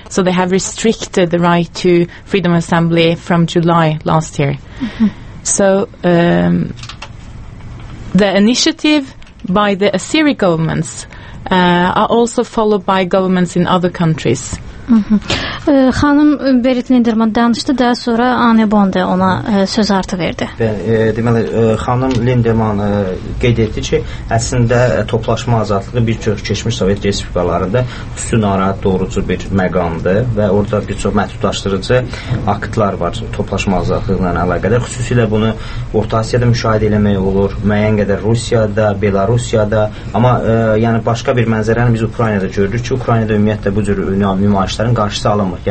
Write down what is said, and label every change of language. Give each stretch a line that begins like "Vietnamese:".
English: So they have restricted the right to freedom of assembly from July last year. Mm-hmm. So the initiative by the Azeri governments are also followed by governments in other countries.
Azerbaijani: Xanım Berit Linderman danışdı, daha sonra Anne Bond ona söz artı verdi. Deməli, xanım Linderman qeyd etdi ki, əslində toplaşma azadlığı bir çox keçmiş Sovet respublikalarında üstün narahat doğrucu bir məqamdır və orada bir çox məhdudlaşdırıcı aktlar var toplaşma azadlığına əlaqədar. Xüsusilə bunu Orta Asiyada müşahidə eləmək olur, müəyyən qədər Rusiyada, Belarusiyada, amma yəni başqa bir mənzərəni biz Ukraynada gördük ki, Ukraynada ümumiyyətlə bu cür nümayiş işlərin qarşısı alınmır.